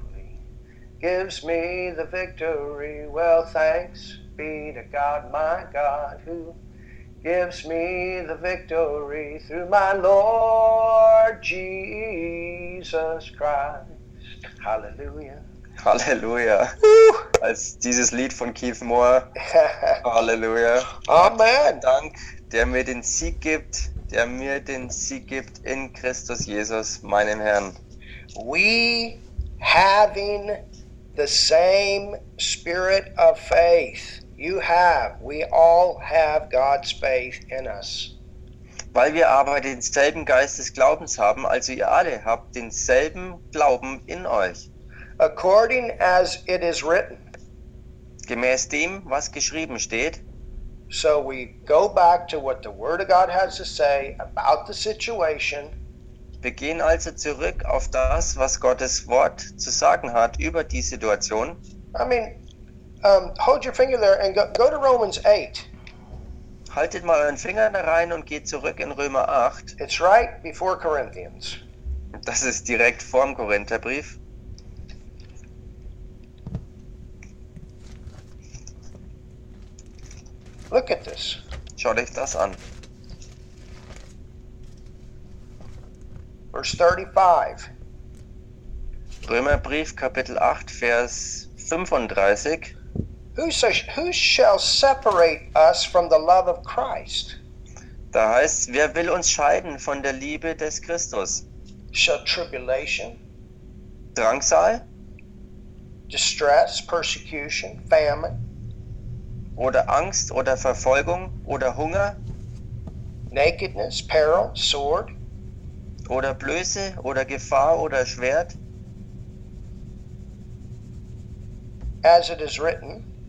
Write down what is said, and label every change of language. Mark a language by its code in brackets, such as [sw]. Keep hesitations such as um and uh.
[en] well, the victory. well thanks be to God, my God, who gives me the victory through my Lord Jesus Christ. Hallelujah. [de] Halleluja. Als dieses Lied von Keith Moore. Halleluja. Amen. Dank, der mir den Sieg gibt, der mir den Sieg gibt in Christus Jesus, meinem Herrn. [en] We having the same spirit of faith. You have. We all have God's faith in us. [de] Weil wir aber denselben Geist des Glaubens haben, also ihr alle habt denselben Glauben in euch. [en] according as it is written. [de] Gemäß dem, was geschrieben steht. [en] So we go back to what the Word of God has to say about the situation. [de] Wir gehen also zurück auf das, was Gottes Wort zu sagen hat über die Situation. [en] I mean, um, hold your finger there and go, go to Romans 8. [de] Haltet mal euren Finger da rein und geht zurück in Römer 8. [en] It's right before Corinthians. [de] Das ist direkt vorm Korintherbrief. [en] Look at this. [de] Schau Verse 35. Römerbrief Kapitel 8 Vers 35. [en] Who, says, who, shall separate us from the love of Christ? [de] Da heißt, wer will uns scheiden von der Liebe des Christus? [en] Shall tribulation? [de] Drangsal? [en] Distress, persecution, famine? [de] oder Angst oder Verfolgung oder Hunger. [en] Nakedness, peril, sword. [de] Oder Blöße oder Gefahr oder Schwert. [en] As it is written.